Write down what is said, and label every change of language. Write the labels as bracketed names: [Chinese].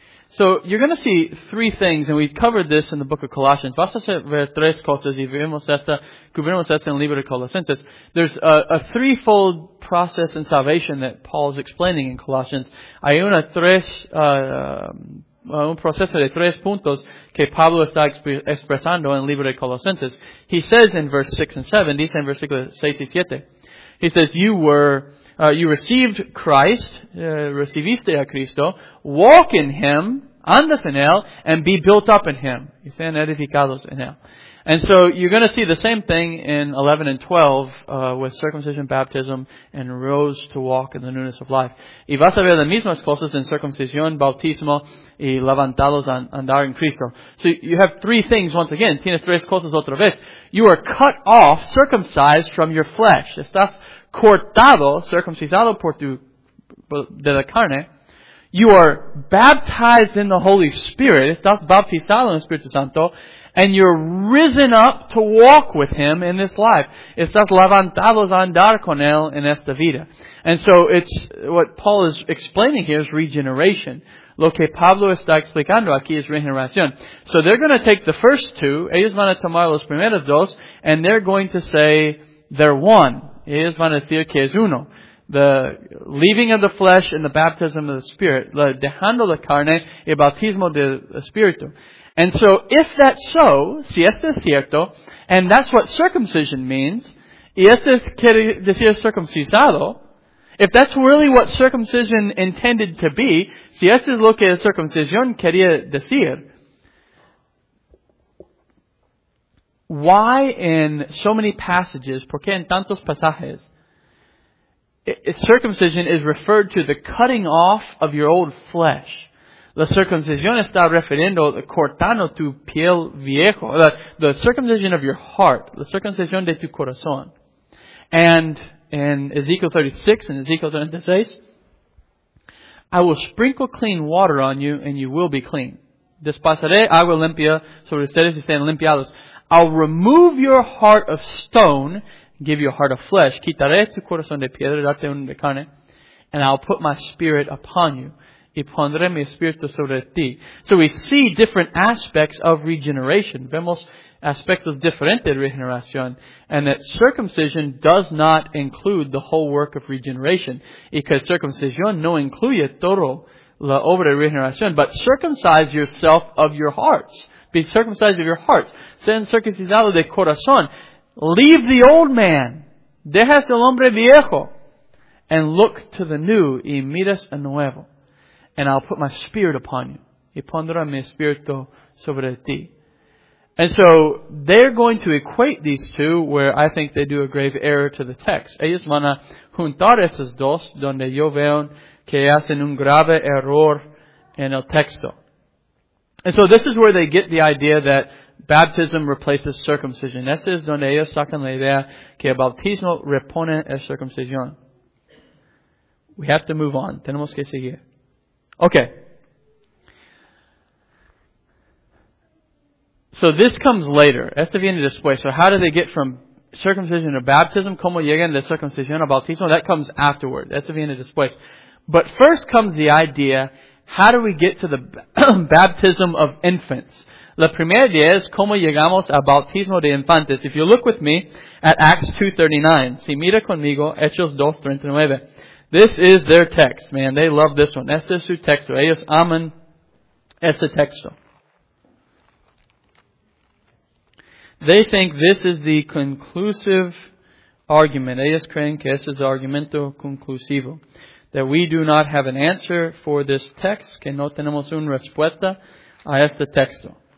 [English] So you're going to see three things, and we covered this in the book of Colossians. [Spanish] Vas a ver tres cosas y vimos esta, cubrimos esta en el libro de Colosenses. [English] There's a threefold process in salvation that Paul is explaining in Colossians. [Spanish] Hay una tres, un proceso de tres puntos que Pablo está expresando en el libro de Colosenses. [English] He says in verse 6 and 7, [Spanish] dice en versículos 6 y 7, [English] he says, you were, you received Christ, [Spanish] recibiste a Cristo, [English] walk in Him, [Spanish] andas en Él, [English] and be built up in Him. [Spanish] Y sean edificados en Él. [English] And so you're going to see the same thing in 11 and 12 with circumcision, baptism, and rose to walk in the newness of life. [Spanish] Y vas a ver las mismas cosas en circuncisión, bautismo, y levantados andar en Cristo. [English] So you have three things once again. [Spanish] Tienes tres cosas otra vez. [English] You are cut off, circumcised from your flesh. [Spanish] Estás cortado, circuncisado por tu de la carne. [English] You are baptized in the Holy Spirit. [Spanish] Estás bautizado en el Espíritu Santo. [English] And you're risen up to walk with Him in this life. [Spanish] Estás levantados a andar con Él en esta vida. [English] And so it's what Paul is explaining here is regeneration. [Spanish] Lo que Pablo está explicando aquí es regeneración. [English] So they're going to take the first two. [Spanish] Ellos van a tomar los primeros dos. [English] And they're going to say they're one. [Spanish] Ellos van a decir que es uno. [English] The leaving of the flesh and the baptism of the Spirit. [Spanish] Dejando la carne y el bautismo del Espíritu. [English] And so, if that's so, [Spanish] si esto es cierto, [English] and that's what circumcision means, [Spanish] y esto quiere decir circuncisado, [English] if that's really what circumcision intended to be, [Spanish] si esto es lo que circuncisión quería decir, [English] why in so many passages, [Spanish] por qué en tantos pasajes, [English] circumcision is referred to the cutting off of your old flesh? [Spanish] La circuncisión está refiriendo a cortando tu piel viejo. [English] The circumcision of your heart. [Spanish] La circuncisión de tu corazón. [English] And in Ezekiel 36 and Ezekiel 36, I will sprinkle clean water on you and you will be clean. [Spanish] Despasaré agua limpia sobre ustedes y sean limpiados. [English] I'll remove your heart of stone, give you a heart of flesh. [Spanish] Quitaré tu corazón de piedra, darte un de carne. [English] And I'll put my spirit upon you. [Spanish] Y pondré mi espíritu sobre ti. [English] So we see different aspects of regeneration. [Spanish] Vemos aspectos diferentes de regeneración. [English] And that circumcision does not include the whole work of regeneration. [Spanish] Y que circuncisión no incluye todo la obra de regeneración. [English] But circumcise yourself of your hearts. Be circumcised of your hearts. [Spanish] Sean circuncisado de corazón. [English] Leave the old man. [Spanish] Dejas el hombre viejo. [English] And look to the new. [Spanish] Y miras a nuevo. [English] And I'll put my spirit upon you. [Spanish] Y pondré mi espíritu sobre ti. [English] And so, they're going to equate these two where I think they do a grave error to the text. [Spanish] Ellos van a juntar esos dos donde yo veo que hacen un grave error en el texto. [English] And so, this is where they get the idea that baptism replaces circumcision. [Spanish] Ese es donde ellos sacan la idea que el bautismo repone la circuncisión. [English] We have to move on. [Spanish] Tenemos que seguir. [English] Okay, so this comes later. [Spanish] Esto viene después. [English] So how do they get from circumcision to baptism? [Spanish] ¿Cómo llegan de circuncisión a bautismo? [English] That comes afterward. [Spanish] Esto viene después. [English] But first comes the idea, how do we get to the baptism of infants? [Spanish] La primera idea es cómo llegamos a bautismo de infantes. [English] If you look with me at Acts 2:39, [Spanish] si mira conmigo Hechos 2:39. [English] This is their text, man. They love this one. [Spanish] Este es su texto. Ellos aman ese texto. [English] They think this is the conclusive argument. [Spanish] Ellos creen que ese es el argumento conclusivo. [English] That we do not have an answer for this text. [Spanish] Que no tenemos una respuesta a este texto.